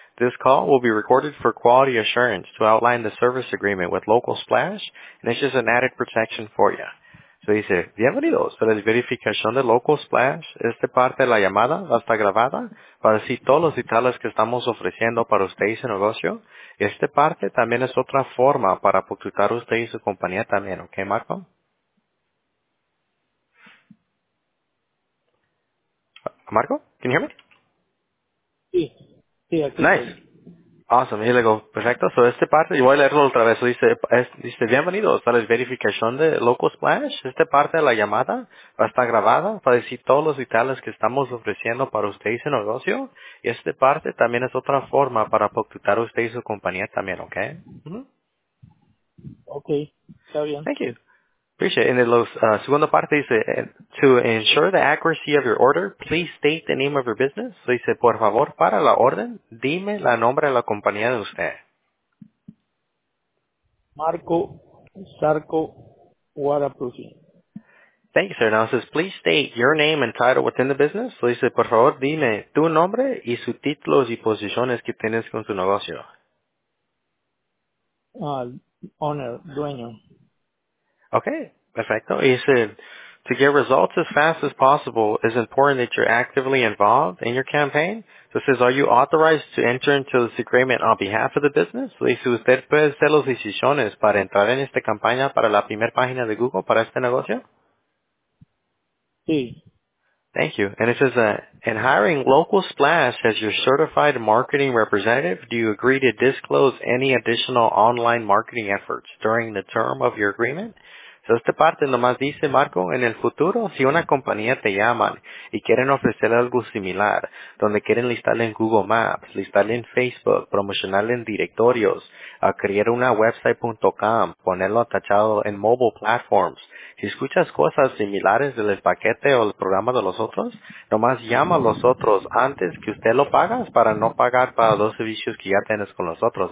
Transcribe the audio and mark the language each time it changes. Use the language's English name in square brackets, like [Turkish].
[English] This call will be recorded for quality assurance to outline the service agreement with Local Splash, and it's just an added protection for you. [Spanish] So dice, bienvenidos a la verificación de Local Splash. Esta parte de la llamada va a estar grabada para decir todos los detalles que estamos ofreciendo para usted y su negocio. Esta parte también es otra forma para publicitar usted y su compañía también. ¿Ok, Marco? [English] Marco, can you hear me? [Spanish] Sí. Sí, aquí. [English] Nice. Awesome. [Spanish] Y luego, perfecto. So, esta parte, y voy a leerlo otra vez. So, dice, bienvenidos a la verificación de Local Splash. Esta parte de la llamada va a estar grabada para decir todos los detalles que estamos ofreciendo para usted y su negocio. Y esta parte también es otra forma para contactar a usted y su compañía también, ¿ok? Mm-hmm. Okay. Está bien. [English] Thank you. Appreciate it. And the [Spanish] segunda parte [English] dice, to ensure the accuracy of your order, please state the name of your business. [Spanish] So dice, por favor, para la orden, dime la nombre de la compañía de usted. Marco Sarco Guadalupe. [English] Thank you, sir. Now it says, please state your name and title within the business. [Spanish] So dice, por favor, dime tu nombre y sus títulos y posiciones que tienes con tu negocio. [English] Owner, dueño. [Spanish] Okay, perfecto. [English] He said, to get results as fast as possible, it's important that you're actively involved in your campaign. So it says, are you authorized to enter into this agreement on behalf of the business? [Spanish] Le dice, ¿usted puede hacer las decisiones para entrar en esta campaña para la primera página de Google para este negocio? Sí. [English] Thank you. And it says, in hiring Local Splash as your certified marketing representative, do you agree to disclose any additional online marketing efforts during the term of your agreement? [Spanish] So, esta parte nomás dice, Marco, en el futuro, si una compañía te llaman y quieren ofrecer algo similar, donde quieren listarle en Google Maps, listarle en Facebook, promocionarle en directorios, a crear una website.com, ponerlo atachado en mobile platforms, si escuchas cosas similares del paquete o el programa de los otros, nomás llama a los otros antes que usted lo pagas para no pagar para los servicios que ya tienes con los otros.